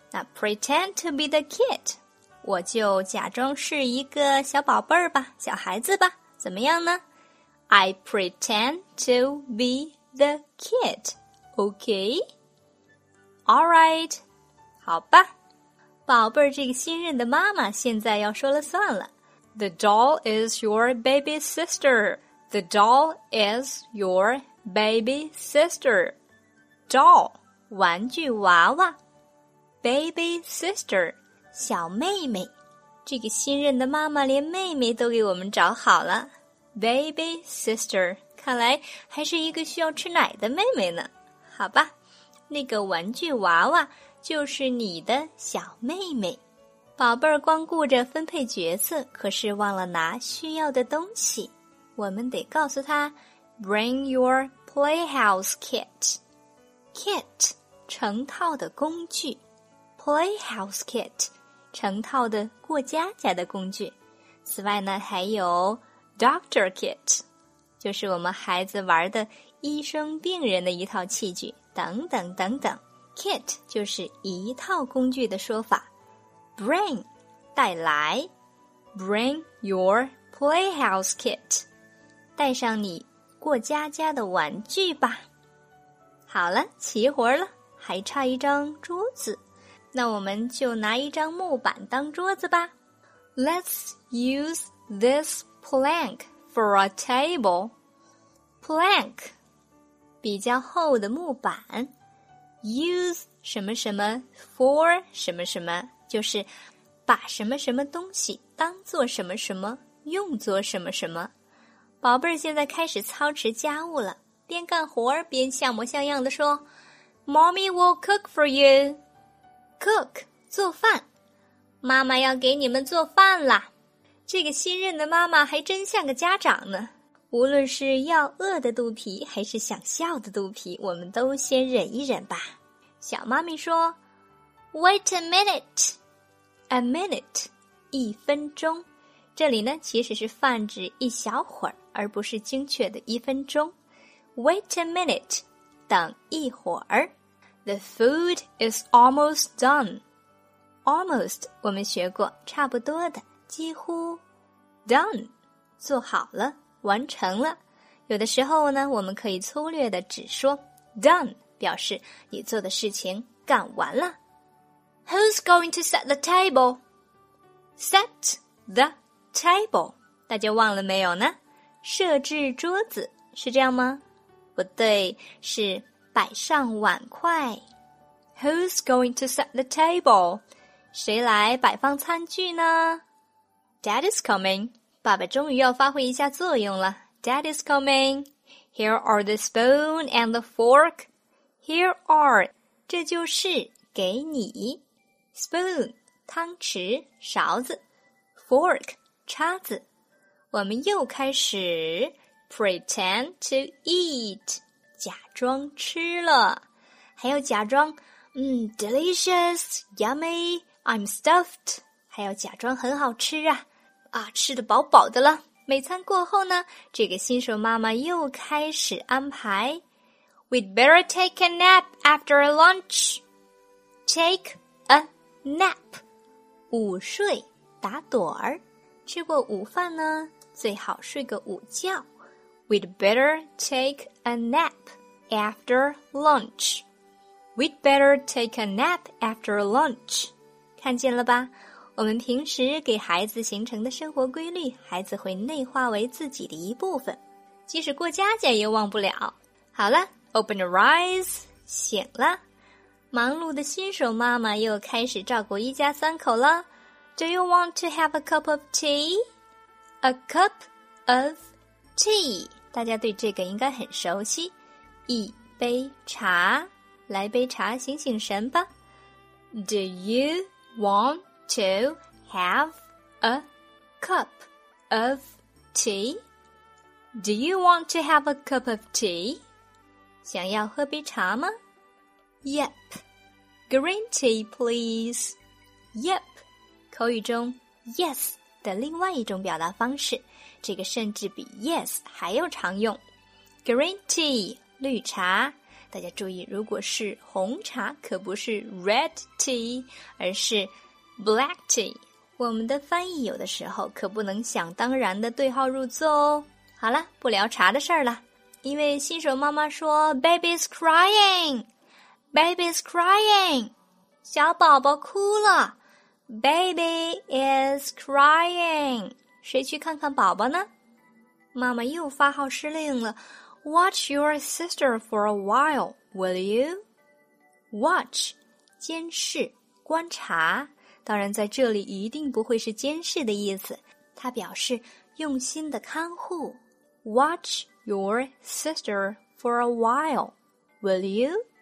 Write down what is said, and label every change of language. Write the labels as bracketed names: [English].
[Chinese] 那 [English] pretend to be the kid， [Chinese] 我就假装是一个小宝贝儿吧，小孩子吧，怎么样呢？ [English] I pretend to be the kid， OK？ [Chinese] Alright， 好吧，宝贝儿，这个新任的妈妈现在要说了算了。 [English] The doll is your baby sister. The doll is your baby sister. [Chinese] Doll， 玩具娃娃。Baby sister， 小妹妹。这个新任的妈妈连妹妹都给我们找好了。 Baby sister， 看来还是一个需要吃奶的妹妹呢。好吧。那个玩具娃娃就是你的小妹妹。宝贝儿光顾着分配角色，可是忘了拿需要的东西。我们得告诉她 [English] Bring your playhouse kit。 [Chinese] Kit 成套的工具， Playhouse kit 成套的过家家的工具。此外呢还有 Doctor kit， 就是我们孩子玩的医生病人的一套器具等等等等。 Kit 就是一套工具的说法。Bring 带来， [English] Bring your playhouse kit， [Chinese] 带上你过家家的玩具吧。好了，齐活了，还差一张桌子，那我们就拿一张木板当桌子吧。 [English] Let's use this plank for a table. [Chinese] Plank比较厚的木板。 use 什么什么 for 什么什么，就是把什么什么东西当做什么什么，用作什么什么。宝贝儿现在开始操持家务了，边干活边像模像样的说 [English] Mommy will cook for you。 [Chinese] cook 做饭，妈妈要给你们做饭啦。这个新任的妈妈还真像个家长呢，无论是要饿的肚皮还是想笑的肚皮，我们都先忍一忍吧。小妈咪说 [English] Wait a minute， [Chinese] A minute 一分钟，这里呢其实是泛指一小会儿，而不是精确的一分钟。 [English] Wait a minute， [Chinese] 等一会儿。 [English] The food is almost done。 [Chinese] Almost 我们学过，差不多的，几乎。 Done 做好了，完成了。有的时候呢我们可以粗略的只说 done， 表示你做的事情干完了。 [English] Who's going to set the table? Set the table， [Chinese] 大家忘了没有呢？设置桌子，是这样吗？不对，是摆上碗筷。 [English] Who's going to set the table? [Chinese] 谁来摆放餐具呢？ [English] Dad is coming. [Chinese] 爸爸终于要发挥一下作用了。 [English] Dad is coming. Here are the spoon and the fork. Here are, [Chinese] 这就是给你。 Spoon, 汤匙、勺子。Fork, 叉子。我们又开始 [English] pretend to eat, [Chinese] 假装吃了。还要假装 [English] delicious, yummy, I'm stuffed. [Chinese] 还要假装很好吃啊。啊，吃得饱饱的了。每餐过后呢，这个新手妈妈又开始安排。 [English] We'd better take a nap after lunch. Take a nap. [Chinese] 午睡，打盹儿。吃过午饭呢，最好睡个午觉。 [English] We'd better take a nap after lunch. We'd better take a nap after lunch. [Chinese] 看见了吧？我们平时给孩子形成的生活规律，孩子会内化为自己的一部分，即使过家家也忘不了。好了 [English] ，Open your eyes. [Chinese] 醒了。忙碌的新手妈妈又开始照顾一家三口了。 [English] Do you want to have a cup of tea? A cup of tea. [Chinese] 大家对这个应该很熟悉。一杯茶。来杯茶，醒醒神吧。 [English] Do you want to have a cup of tea? Do you want to have a cup of tea? [Chinese] 想要喝杯茶吗？ [English] Yep. Green tea, please. Yep. [Chinese] 口语中 yes 的另外一种表达方式，这个甚至比 yes 还要常用。 Green tea, 绿茶。大家注意，如果是红茶，可不是 red tea, 而是 black tea。我们的翻译有的时候可不能想当然的对号入座哦。好了，不聊茶的事儿了，因为新手妈妈说 [English] baby's crying, baby's crying, [Chinese] 小宝宝哭了， [English] baby is crying, [Chinese] 谁去看看宝宝呢？妈妈又发号施令了。 [English] Watch your sister for a while, will you? [Chinese] Watch, 监视、观察。当然在这里一定不会是监视的意思，它表示用心的看护。 [English] Watch your sister for a while, will you?